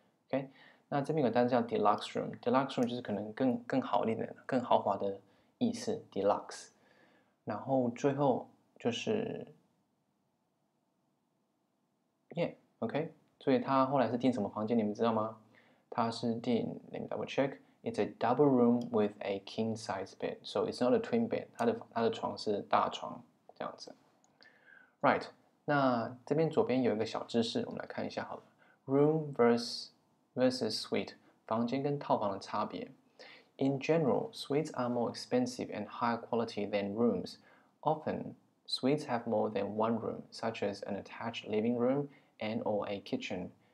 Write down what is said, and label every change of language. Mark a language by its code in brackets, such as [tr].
[zh] OK， 那这边有个单词叫 deluxe room，deluxe room 就是可能更好一点、更豪华的意思 deluxe。然后最后就是。 [en] Yeah, OK. [zh] 所以他后来是订什么房间，你们知道吗？他是订 [en] ，Let me double check. It's a double room with a king size bed. So it's not a twin bed. [zh] 他的床是大床这样子。 [en] Right. [zh] 那这边左边有一个小知识，我们来看一下好了。 [en] Room versus suite， [zh] 房间跟套房的差别。 [en] In general, suites are more expensive and higher quality than rooms. Often. Suites have more than one room, such as an attached living room and or a kitchen.